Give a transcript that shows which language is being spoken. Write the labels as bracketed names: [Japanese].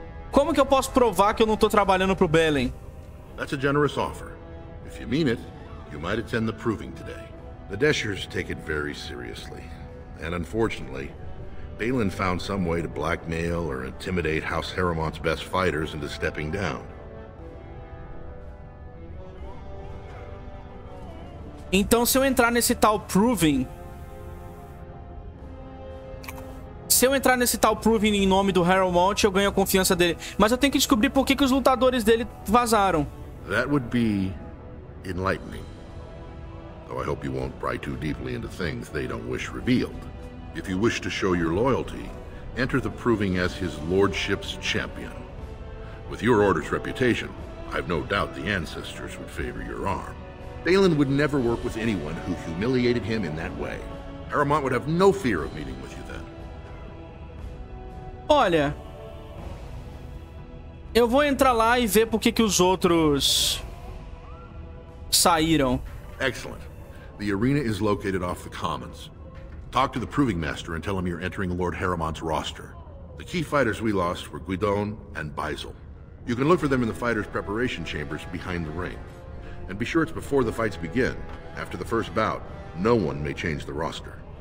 [Portuguese] Como que eu posso provar que eu não tô trabalhando pro Belen? [English] That's a generous offer. If you mean it, you might attend the proving today. The Deshers take it very seriously. And unfortunately, Balin found some way to blackmail or intimidate House Harrowmont's best fighters into stepping down. [Portuguese] Então, se eu entrar nesse tal proving... Se eu entrar nesse tal proving em nome do Harrowmont, eu ganho a confiança dele. Mas eu tenho que descobrir por que, que os lutadores dele vazaram. [English] That would be enlightening. Though I hope you won't pry too deeply into things they don't wish revealed. If you wish to show your loyalty, enter the proving as his lordship's champion. With your order's reputation, I've no doubt the ancestors would favor your arm. Balin would never work with anyone who humiliated him in that way. Harrowmont would have no fear of meeting with you then. [Portuguese] Olha, eu vou entrar lá e ver por que que os outros saíram. [English] Excellent. The arena is located off the commons. Talk to the proving master and tell him you're entering Lord Harrowmont's roster. The key fighters we lost were Guidon and Beisel. You can look for them in the fighters' preparation chambers behind the ring. And be sure it's before the fights begin. After the first bout, no one may change the roster.